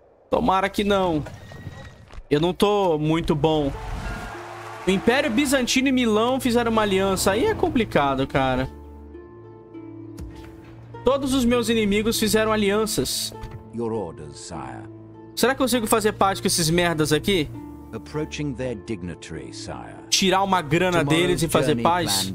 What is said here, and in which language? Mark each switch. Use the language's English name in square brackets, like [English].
[Portuguese] Tomara que não. Eu não tô muito bom O Império Bizantino e Milão fizeram uma aliança. Aí é complicado, cara. Todos os meus inimigos fizeram alianças. [English] Your orders, sire. [Portuguese] Será que eu consigo fazer paz com esses merdas aqui? [English] Approaching their dignitary, sire. [Portuguese] Tirar uma grana [English] tomorrow's [Portuguese] deles e fazer paz?